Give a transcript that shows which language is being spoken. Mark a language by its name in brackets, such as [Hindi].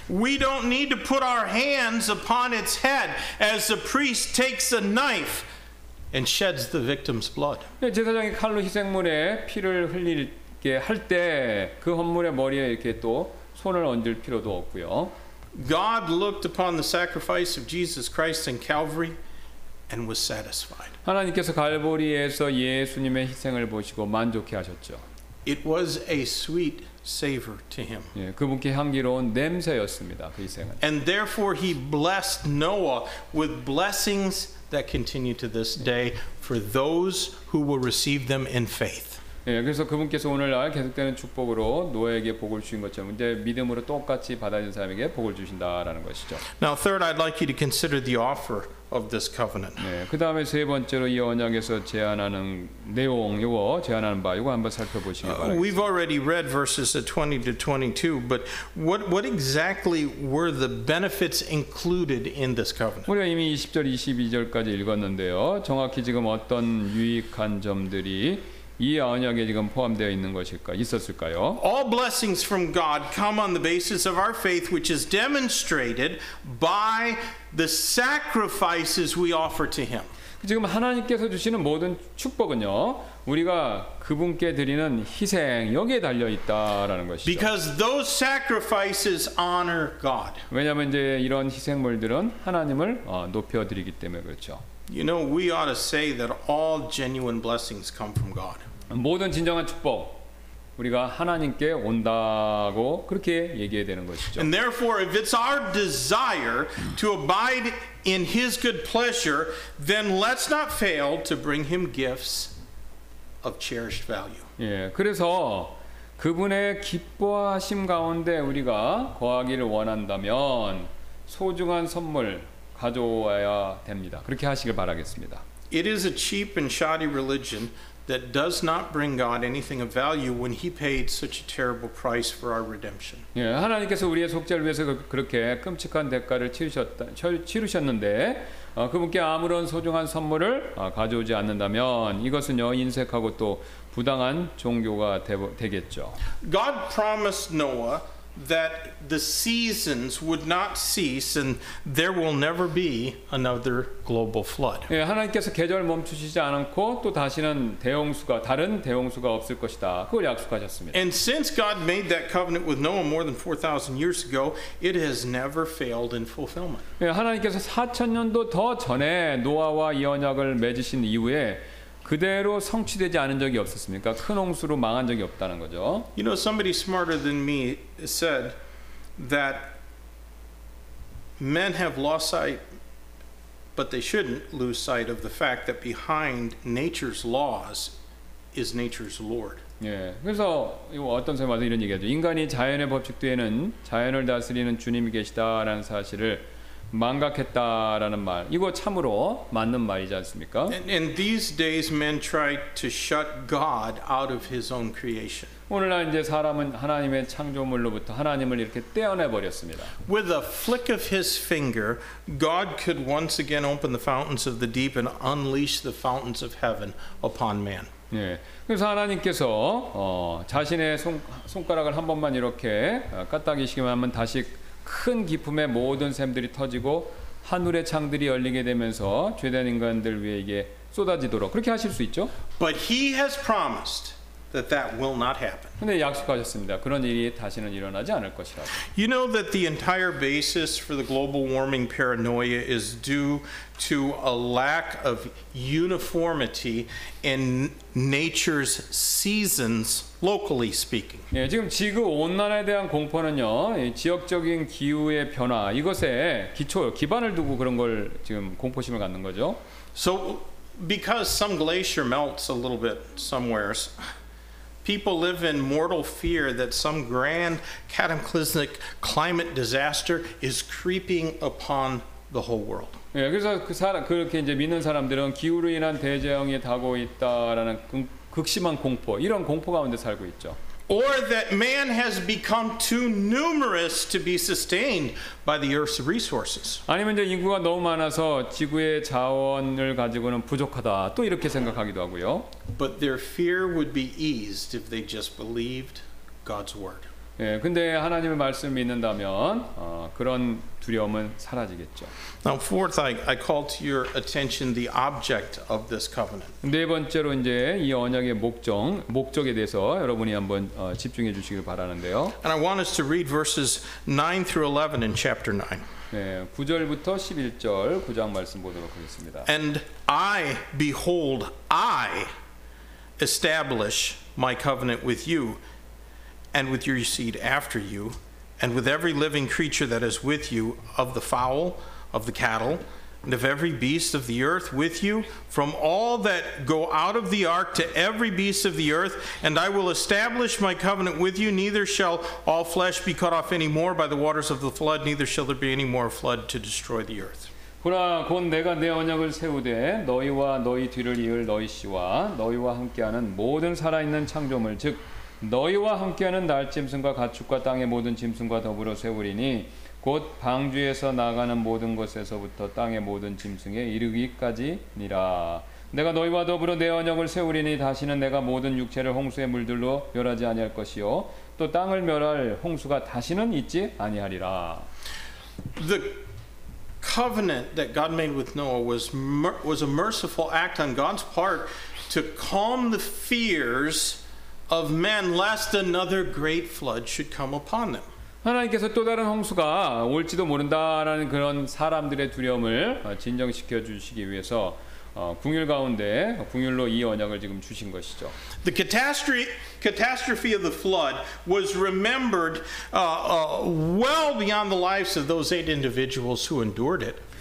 [English] We don't need to put our hands upon its head as the priest takes a knife and sheds the victim's blood. [Korean] 제사장이 칼로 희생물에 피를 흘리게 할 때 그 헌물의 머리에 이렇게 또 손을 얹을 필요도 없고요. [English] God looked upon the sacrifice of Jesus Christ in Calvary and was satisfied. [Korean] 하나님께서 갈보리에서 예수님의 희생을 보시고 만족해 하셨죠. It was a sweet savor to him. 예, 그분께 향기로운 냄새였습니다. 그 희생은. [English] And therefore he blessed Noah with blessings that continue to this day for those who will receive them in faith. [Korean] 예, 그래서 그분께서 오늘날 계속되는 축복으로 노아에게 복을 주신 것처럼 이제 믿음으로 똑같이 받아들인 사람에게 복을 주신다라는 것이죠. [English] Now third, I'd like you to consider the offer of this covenant. [Korean] 네, 그 다음에 세 번째로 이 언약에서 제안하는 내용, 이거 제안하는 바 이거 한번 살펴보시기 바랍니다. [English] We've already read verses 20 to 22, but what exactly were the benefits included in this covenant? [Korean] 우리가 이미 20절, 22절까지 읽었는데요. 정확히 지금 어떤 유익한 점들이 이 언약에 지금 포함되어 있는 것일까 있었을까요? [English] All blessings from God come on the basis of our faith, which is demonstrated by the sacrifices we offer to Him. [Korean] 지금 하나님께서 주시는 모든 축복은요, 우리가 그분께 드리는 희생 여기에 달려 있다라는 것이죠. [English] Because those sacrifices honor God. [Korean] 왜냐하면 이제 이런 희생물들은 하나님을 높여 드리기 때문에 그렇죠. [English] You know, we ought to say that all genuine blessings come from God. [Korean] 모든 진정한 축복 우리가 하나님께 온다고 그렇게 얘기해야 되는 것이죠. [English] And therefore, if it's our desire to abide in His good pleasure, then let's not fail to bring Him gifts of cherished value. [Korean] 예, 그래서 그분의 기뻐하심 가운데 우리가 거하기를 원한다면 소중한 선물 가져와야 됩니다. 그렇게 하시길 바라겠습니다. [English] It is a cheap and shoddy religion that does not bring God anything of value when He paid such a terrible price for our redemption. [Korean] 예, 하나님께서 우리의 속죄를 위해서 그렇게 끔찍한 대가를 치르셨는데 그분께 아무런 소중한 선물을 가져오지 않는다면 이것은요 인색하고 또 부당한 종교가 되겠죠. [English] God promised Noah that the seasons would not cease and there will never be another global flood. [Korean] 예, 하나님께서 계절 멈추시지 않고 또 다시는 다른 대홍수가 없을 것이다. 그걸 약속하셨습니다. [English] And since God made that covenant with Noah more than 4000 years ago, it has never failed in fulfillment. [Korean] 예, 하나님께서 4000년도 더 전에 노아와 이 언약을 맺으신 이후에 그대로 성취되지 않은 적이 없었습니까? 큰 홍수로 망한 적이 없다는 거죠. [English] You know, somebody smarter than me said that men have lost sight, but they shouldn't lose sight of the fact that behind nature's laws is nature's Lord. [Korean] 예, 그래서 어떤 사람은 이런 얘기하죠. 인간이 자연의 법칙 뒤에는 자연을 다스리는 주님이 계시다라는 사실을 망각했다라는 말. 이거 참으로 맞는 말이지 않습니까? [English] In these days, men try to shut God out of His own creation. [Korean] 오늘날 이제 사람은 하나님의 창조물로부터 하나님을 이렇게 떼어내 버렸습니다. [English] With a flick of His finger, God could once again open the fountains of the deep and unleash the fountains of heaven upon man. [Korean] 예, 그래서 하나님께서 자신의 손가락을 한 번만 이렇게 까딱이시기만 하면 다시 큰 기품의 모든 샘들이 터지고 하늘의 창들이 열리게 되면서 죄된 인간들 위에게 쏟아지도록 그렇게 하실 수 있죠. [English] But he has promised that that will not happen. [Korean] 근데 약속하셨습니다. 그런 일이 다시는 일어나지 않을 것이라고. [English] You know that the entire basis for the global warming paranoia is due to a lack of uniformity in nature's seasons locally speaking. [Korean] 예, 지금 지구 온난화에 대한 공포는요. 지역적인 기후의 변화 이것에 기초 기반을 두고 그런 걸 지금 공포심을 갖는 거죠. [English] So because some glacier melts a little bit somewhere, people live in mortal fear that some grand cataclysmic climate disaster is creeping upon the whole world. [Korean] 예, 그래서 그 사람 그렇게 이제 믿는 사람들은 기후로 인한 대재앙이 다가오고 있다라는 극심한 공포, 이런 공포 가운데 살고 있죠. [English] Or that man has become too numerous to be sustained by the earth's resources. [Korean] 아니면 이제 인구가 너무 많아서 지구의 자원을 가지고는 부족하다. 또 이렇게 생각하기도 하고요. [English] But their fear would be eased if they just believed God's word. [Korean] 예, 근데 하나님의 말씀을 믿는다면 그런 두려움은 사라지겠죠. [English] Now fourth, I call to your attention the object of this covenant. [Korean] 네 번째로 이제 이 언약의 목적, 목적에 대해서 여러분이 한번 집중해 주시길 바라는데요. [English] And I want us to read verses 9 through 11 in chapter 9. [Korean] 네, 9절부터 11절 구장 말씀 보도록 하겠습니다. [English] And I, behold, I establish my covenant with you and with your seed after you, and with every living creature that is with you, of the fowl, of the cattle, and of every beast of the earth with you, from all that go out of the ark to every beast of the earth, and I will establish my covenant with you, neither shall all flesh be cut off any more by the waters of the flood, neither shall there be any more flood to destroy the earth. [Korean] 보라, 곧 내가 내 언약을 세우되 너희와 너희 뒤를 이을 너희 씨와 너희와 함께하는 모든 살아있는 창조물, 즉 너희와 함께하는 날짐승과 가축과 땅의 모든 짐승과 더불어 세우리니 곧 방주에서 나가는 모든 것에서부터 땅의 모든 짐승에 이르기까지니라. 내가 너희와 더불어 내 언약을 세우리니 다시는 내가 모든 육체를 홍수의 물들로 멸하지 아니할 것이요 또 땅을 멸할 홍수가 다시는 있지 아니하리라. [English] The covenant that God made with Noah was a merciful act on God's part to calm the fears of men lest another great flood should come upon them. [Korean] 하나님께서 또 다른 홍수가 올지도 모른다라는 그런 사람들의 두려움을 진정시켜 주시기 위해서 긍휼 가운데 긍휼로 이 언약을 지금 주신 것이죠. [English] The catastrophe of the flood was remembered well beyond the lives of those eight individuals who endured it.